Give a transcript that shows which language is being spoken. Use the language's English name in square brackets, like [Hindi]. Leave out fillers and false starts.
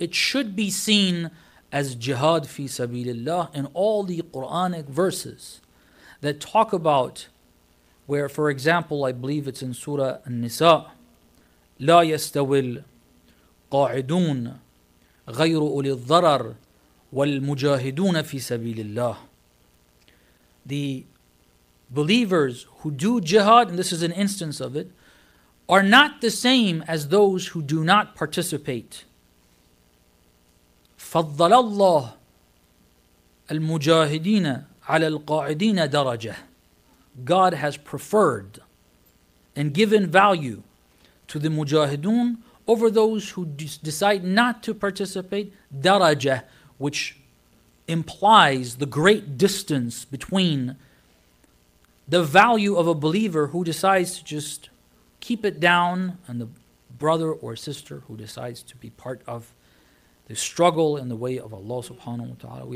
[English] It should be seen as jihad fi sabilillah in all the Quranic verses that talk about where, for example, I believe it's in Surah An-Nisa, [Arabic] لا يستوي القاعدون غير أولي الضرر والمجاهدون في سبيل الله. [English] The believers who do jihad, and this is an instance of it, are not the same as those who do not participate. [Arabic] فضل الله المجاهدين على القاعدين درجة. [English] God has preferred and given value to the mujahidun over those who decide not to participate, daraja, which implies the great distance between the value of a believer who decides to just keep it down and the brother or sister who decides to be part of the struggle in the way of Allah subhanahu wa ta'ala.